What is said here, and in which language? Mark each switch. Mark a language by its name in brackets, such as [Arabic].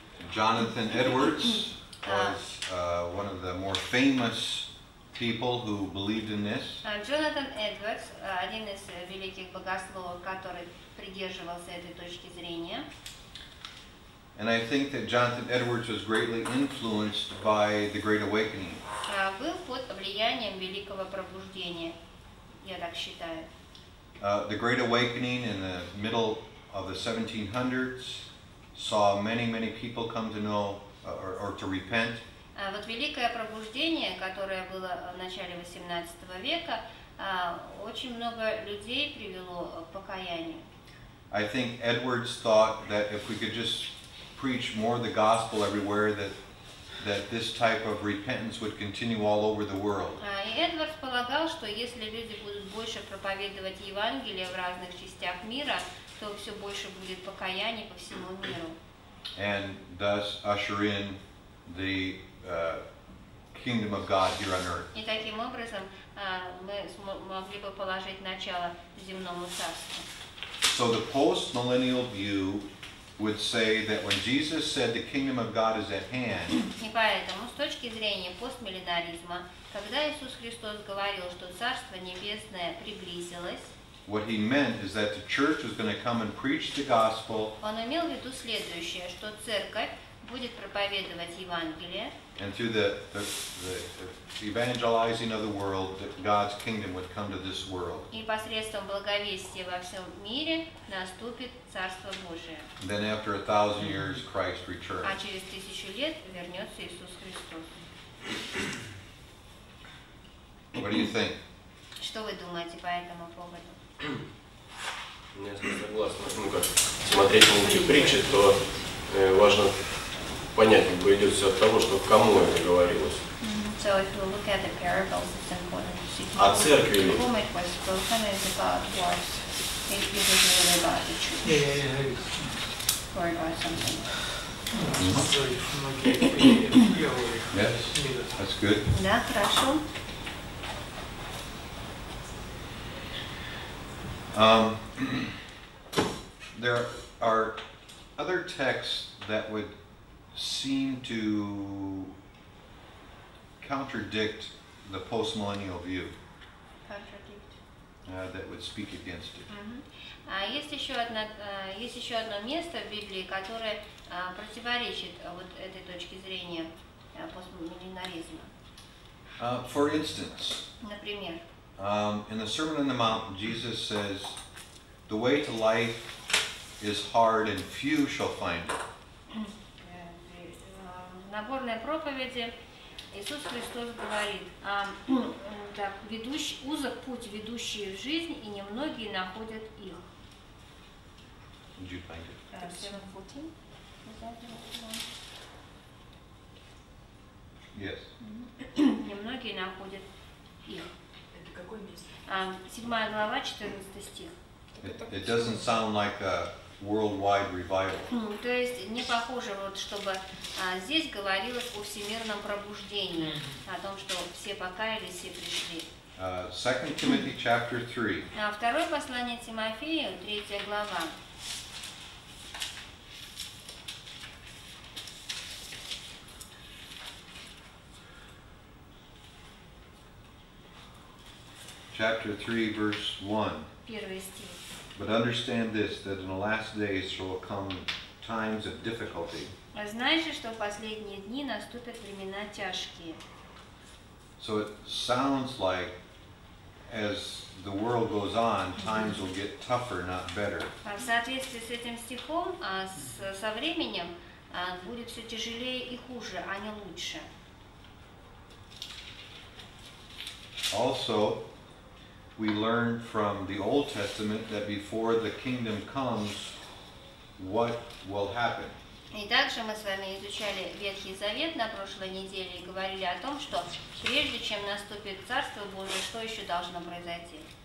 [English] Jonathan Edwards was one of the more famous people who believed in this. [Russian] Jonathan Edwards, один из великих богословов, который придерживался этой точки зрения. [English] And I think that Jonathan Edwards was greatly influenced by the Great Awakening. [Russian] Был под влиянием Великого Пробуждения, я так считаю. [English] The Great Awakening in the middle of the 1700s saw many, many people come to know or to repent. [Russian] Вот Великое Пробуждение, которое было в начале 18 века, очень много людей привело к покаянию. [English] I think Edwards thought that if we could just preach more of the gospel everywhere, that this type of repentance would continue all over the world. [Russian] И Эдвард полагал, что если люди будут больше проповедовать Евангелие в разных частях мира, то все больше будет покаяний по всему миру. [English] And thus usher in the kingdom of God here on earth. [Russian] И таким образом мы могли бы положить начало земному царству. [English] So the post-millennial view would say that when Jesus said the kingdom of God is at hand. [Russian] И поэтому с точки зрения постмиллинаризма, когда Иисус Христос говорил, что Царство небесное приблизилось, [English] what he meant is that the church was going to come and preach the gospel. [Russian] Он имел в виду следующее, что церковь будет проповедовать Евангелие. [English] And through the evangelizing of the world, that God's kingdom would come to this world. [Russian] И посредством благовестия во всем мире наступит Царство Божие. [English] Then after 1,000 years, Christ returns. [Russian] А через 1,000 лет вернется Иисус Христос. [English] What do you think? [Russian] Что вы думаете по этому поводу? Я согласна. Ну как, смотреть на эти притчи, то важно понять, как бы идет все от того, что кому это говорилось. [English] So if you look at the parables, it's important to see. [Russian] А церкви ли? [English] Whom it was spoken is about was if it was really about the church. Or about something. Yes, that's good. [Russian] Да, хорошо. [English] There are other texts that would seem to contradict the postmillennial view. That would speak against it. [Russian] Есть еще одно место в Библии, которое противоречит вот этой точке зрения постмиллинаризма. [English] For instance. [Russian] Например. [English] In the Sermon on the Mount, Jesus says, "The way to life is hard, and few shall find it." [Russian] Нагорной проповеди Иисус Христос говорит, узок путь, ведущий в жизнь, и немногие находят их. [English] Did you find it? 7:14. Yes. [Russian] Немногие находят их. Какое место? 7 глава, 14 стих. [English] It doesn't sound like a worldwide revival. [Russian] То есть не похоже, вот, чтобы здесь говорилось о всемирном пробуждении, о том, что все покаялись, все пришли. [English] 2 Timothy chapter 3. [Russian] Второе послание Тимофею, 3 глава. [English] And chapter 3, verse 1. [Russian] Первый стих. [English] But understand this, that in the last days there will come times of difficulty. [Russian] А знаешь, что в последние дни наступят времена тяжкие. [English] So it sounds like as the world goes on, times will get tougher, not better. [Russian] А в соответствии с этим стихом, со временем будет все тяжелее и хуже, а не лучше. [English] Also, we learn from the Old Testament that before the kingdom comes, what will happen? [Russian] И также мы с вами изучали Ветхий Завет на прошлой неделе и говорили о том, что прежде чем наступит Царство Божие, что еще должно произойти?